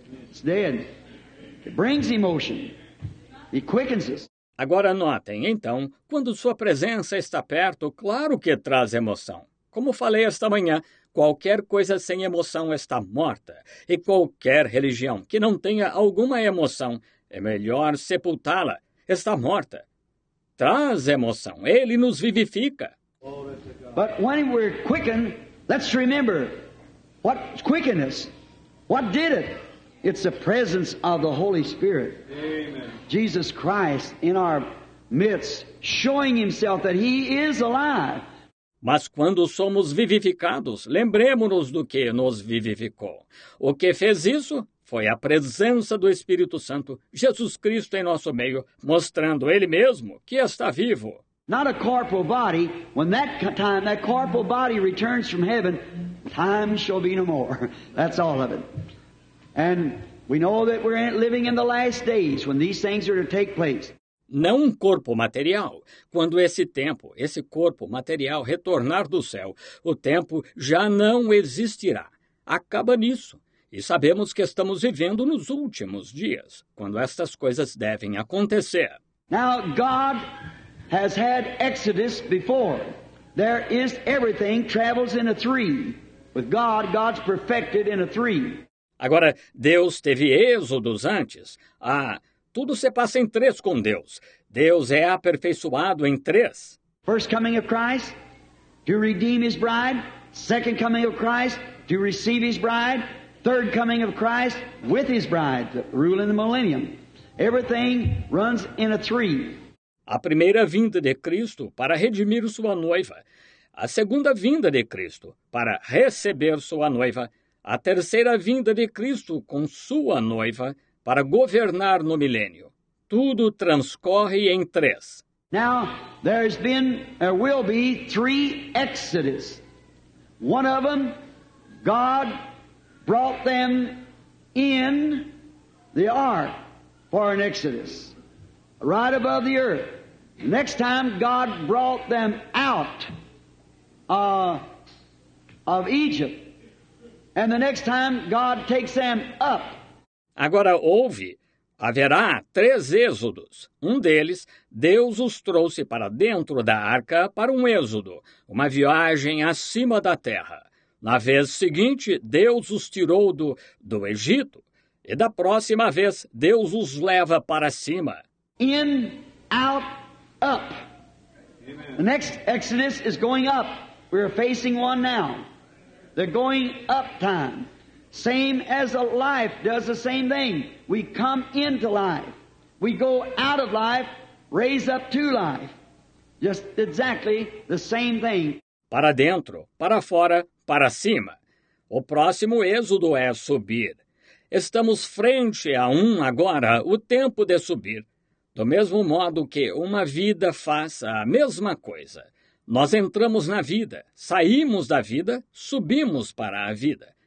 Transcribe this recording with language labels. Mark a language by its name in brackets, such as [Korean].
[English] It's dead. It brings emotion. It quickens us. [Portuguese] Agora notem, então, quando sua presença está perto, claro que traz emoção. Como falei esta manhã, qualquer coisa sem emoção está morta. E qualquer religião que não tenha alguma emoção, é melhor sepultá-la. Está morta. Traz emoção. Ele nos vivifica. [English] But when we're quickened, let's remember what quickened us. What did it? It's the presence of the Holy Spirit. Amen. Jesus Christ in our midst, showing himself that he is alive. [Portuguese] Mas quando somos vivificados, lembremos-nos do que nos vivificou. O que fez isso foi a presença do Espírito Santo, Jesus Cristo em nosso meio, mostrando ele mesmo que está vivo. [English] Not a corporal body. When that time, that corporal body returns from heaven, time shall be no more. That's all of it. And we know that we're living in the last days when these things are to take place. [Portuguese] Não um corpo material. Quando esse tempo, esse corpo material retornar do céu, o tempo já não existirá. Acaba nisso. E sabemos que estamos vivendo nos últimos dias, quando estas coisas devem acontecer. [English] Now, God has had Exodus before. There is everything travels in a three. With God, God's perfected in a three. [Portuguese] Agora, Deus teve êxodos antes. Ah, tudo se passa em três com Deus. Deus é aperfeiçoado em três. [English] First coming of Christ, to redeem his bride. Second coming of Christ, to receive his bride. Third coming of Christ, with his bride, to rule in the millennium. Everything runs in a three. [Portuguese] A primeira vinda de Cristo para redimir sua noiva. A segunda vinda de Cristo para receber sua noiva. A terceira vinda de Cristo com sua noiva para governar no milênio. Tudo transcorre em três. [English] Now, there's been, there will be three exodus. One of them, God brought them in the ark for an exodus. Right above the earth. Next time, God brought them out of Egypt. And the next time, God takes them up. [Portuguese] Agora houve, haverá três êxodos. Um deles, Deus os trouxe para dentro da arca para um êxodo, uma viagem acima da terra. Na vez seguinte, Deus os tirou do Egito. E da próxima vez, Deus os leva para cima. [English] In, out, up. Amen. The next exodus is going up. We are facing one now. The going up time. Same as a life does the same thing. We come into life. We go out of life, raise up to life. Just exactly the same thing. [Portuguese] Para dentro, para fora, para cima. O próximo êxodo é subir. Estamos frente a um agora, o tempo de subir. Do mesmo modo que uma vida faça a mesma coisa. Nós entramos na vida, saímos da vida, subimos para a vida.